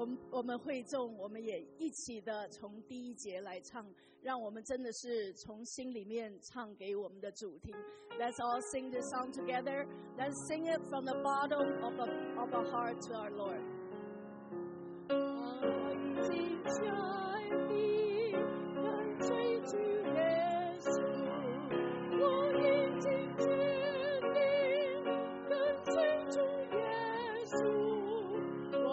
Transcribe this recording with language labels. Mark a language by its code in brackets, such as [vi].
[zh] 我们会众，我们也一起的从第一节来唱，让我们真的是从心里面唱给我们的主听。 [en] Let's all sing this song together. Let's sing it from the bottom of a heart to our Lord. [zh] 爱的加里，敢追逐耶稣，我已经决定跟随主耶稣。